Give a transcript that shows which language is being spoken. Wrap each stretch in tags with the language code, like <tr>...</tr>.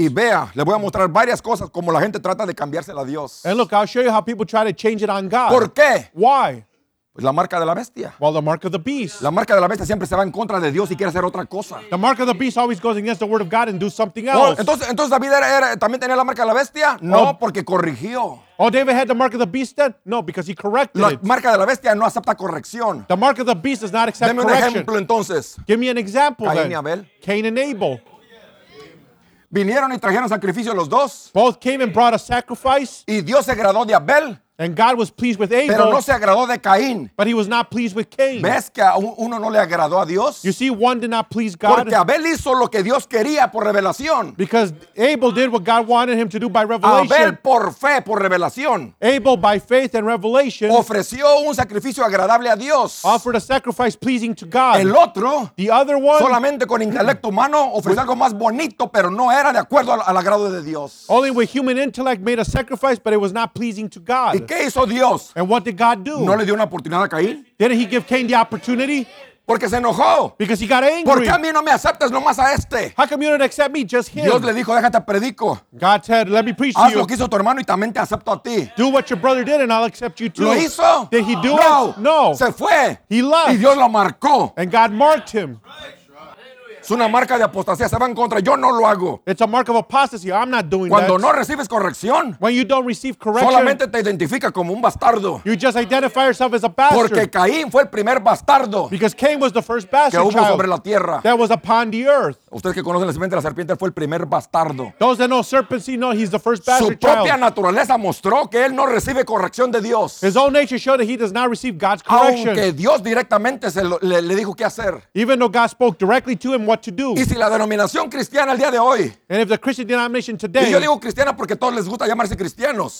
<es>Y vea, le voy a mostrar varias cosas como la gente trata de cambiársela a Dios.</es> <en>And look, I'll show you how people try to change it on God.</en> <es>¿Por qué?</es> <en>Why?</en> <es>Pues la marca de la bestia.</es> <en>Well, the mark of the beast.</en> <es>La marca de la bestia siempre se va en contra de Dios y quiere hacer otra cosa.</es> <en>The mark of the beast always goes against the word of God and do something else.</en> <es>entonces David era también tenía la marca de la bestia? No, oh. Porque corrigió.</es> <en>Oh, David had the mark of the beast then? No, because he corrected</en> <es>La marca de la bestia no acepta corrección.</es> <en>The mark of the beast does not accept</en> <es>Deme un</es> <en>correction.</en> <es>Ejemplo, entonces.</es> <en>Give me an example Cain then.</en> <es>Y Abel.</es> <en>Cain and Abel.</en> <es>Vinieron y trajeron sacrificio los dos.</es> <en>Both came and brought a sacrifice.</en> <es>Y Dios se agradó de Abel.</es> <en>And God was pleased with Abel.</en> <es>Pero no se agradó de Caín.</es> <en>But he was not pleased with Cain.</en> <es>¿Ves que uno no le agradó a Dios?</es> <en>You see, one did not please God.</en> <es>Porque Abel hizo lo que Dios quería por revelación.</es> <en>Because Abel did what God wanted him to do by revelation.</en> <es>Abel por fe, por revelación.</es> <en>Abel by faith and revelation.</en> <es>Ofreció un sacrificio agradable a Dios.</es> <en>Offered a sacrifice pleasing to God.</en> <es>El otro.</es> <en>The other one.</en> <es>Solamente con intelecto humano ofreció algo más bonito, pero no era de acuerdo al agrado de Dios.</es> <en>Only with human intellect made a sacrifice, but it was not pleasing to God.</en> <es>¿Qué hizo Dios?</es> <en>And what did God do?</en> <es>¿No le dio una oportunidad a Caín?</es> <en>Didn't he give Cain the opportunity?</en> <es>Porque se enojó.</es> <en>Because he got angry.</en> <es>¿Por qué a mí no me aceptas nomás a este?</es> <en>How come you don't accept me, just him?</en> <es>Dios le dijo, déjate predico.</es> <en>God said, let me preach</en> <es>Haz</es> <en>to you.</en> <es>Haz lo que hizo tu hermano y también te acepto a ti.</es> <en>Do what your brother did and I'll accept you too.</en> <es>¿Lo hizo?</es> <en>Did he do</en> <es>no.</es> <en>it?</en> <es>No.</es> <en>No.</en> <es>Se fue.</es> <en>He left.</en> <es>Y Dios lo marcó.</es> <en>And God marked him.</en> <es>Es una marca de apostasía, se va en contra, yo no lo hago.</es> <en>It's a mark of apostasy, I'm not doing</en> <es>Cuando</es> <en>that.</en> <es>No recibes corrección,</es> <en>when you don't receive correction,</en> <es>solamente te identifica como un bastardo.</es> <en>You just identify yourself as a bastard.</en> <es>Porque Caín fue el primer bastardo.</es> <en>Because Cain was the first bastard</en> <es>que hubo sobre la tierra.</es> <en>That was upon the earth.</en> <es>Ustedes que conocen la simiente de la serpiente, fue el primer bastardo.</es> <en>Those that know serpents, you know he's the first bastard</en> <es>Su propia</es> <en>child.</en> <es>Naturaleza mostró que él no recibe corrección de Dios.</es> <en>His own nature showed that he does not receive God's correction.</en> <es>Aunque Dios directamente le dijo qué hacer.</es> <en>Even though God spoke directly to him What to do.</en> <es>Y si la denominación cristiana al día de hoy,</es> <en>and if the Christian denomination today,</en> <es>y yo digo cristiana porque todos les gusta llamarse cristianos,</es>